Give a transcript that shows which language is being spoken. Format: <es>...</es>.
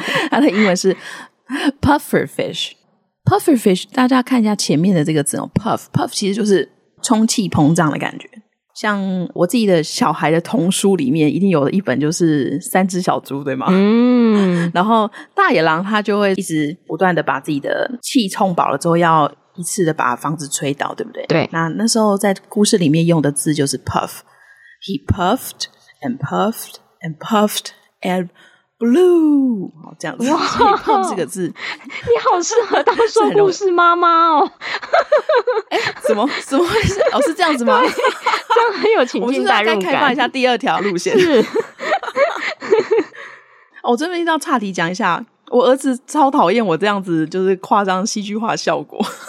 <zh>它的英文是 puffer fish。puffer fish 大家看一下前面的这个字哦， puff puff 其实就是充气膨胀的感觉。像我自己的小孩的童书里面一定有一本就是三只小猪，对吗？然后大野狼他就会一直不断的把自己的气充饱了之后要一次的把房子吹倒，对不对？对。那时候在故事里面用的字就是 puff。</zh> <en>He puffed and puffed and puffed and blew</en> <zh>这样子。所以 puff 这个字你好适合当说故事妈妈哦。怎么会是哦？是这样子吗？这样很有情境代入感。我们是要再开放一下第二条路线。是、哦，我这边要岔题讲一下，我儿子超讨厌我这样子，就是夸张戏剧化效果。</zh>